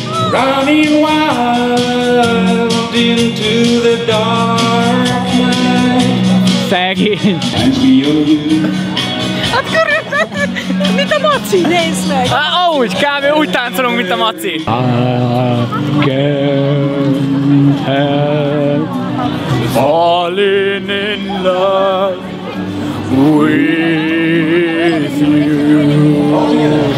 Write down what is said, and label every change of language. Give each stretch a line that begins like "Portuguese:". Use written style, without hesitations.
English: Running wild into the dark night.
Hungarian: Szegény. Akkor mint a Maci, nézd meg! Úgy, kb. Úgy táncolunk, mint a Maci.
English: I can't help falling in love with you.